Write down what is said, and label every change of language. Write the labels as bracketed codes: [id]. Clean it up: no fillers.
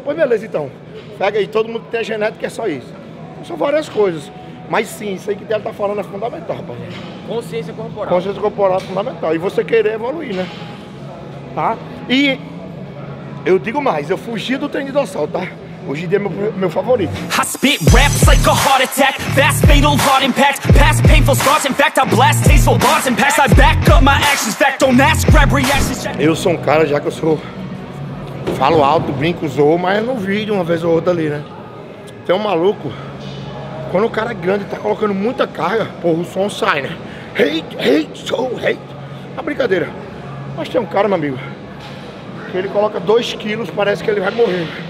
[pt] Pois beleza, então, pega aí, todo mundo que tem a genética é só isso. São várias coisas, mas sim, isso aí que ela tá falando é fundamental, rapaz. Consciência corporal. Consciência corporal é fundamental, e você querer evoluir, né? Tá? E eu digo mais, eu fugi do treino de dorsal, tá? Hoje em dia é meu favorito. [en] I spit raps like a heart attack. Fast fatal heart impact. Past painful scars. In fact, I blast tasteful bars and packs. I back up my actions. Fact, don't ask, grab reactions. [pt] Eu sou um cara, já que eu sou... Falo alto, brinco, zoo, mas eu não vi de uma vez ou outra ali, né? Tem um maluco... Quando o cara é grande e tá colocando muita carga, porra, o som sai, né? Hate, hate, so hate. Uma brincadeira. Mas tem um cara, meu amigo, que ele coloca 2 quilos, parece que ele vai morrer.